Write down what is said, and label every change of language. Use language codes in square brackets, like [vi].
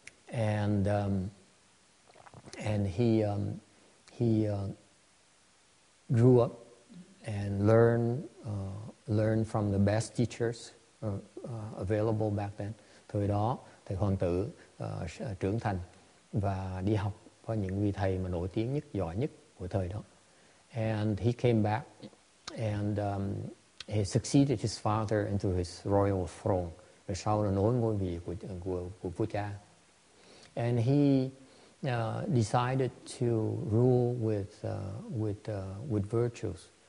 [en] And he grew up and learned from the best teachers available back then. [vi] Thời đó, thầy hoàng tử trưởng thành và đi học có những vị thầy mà nổi tiếng nhất, giỏi nhất của thời đó. [en] And he came back and he succeeded his father into his royal throne. [vi] Rồi sau là nối ngôi vị của vua cha. [en] And he decided to rule with virtues.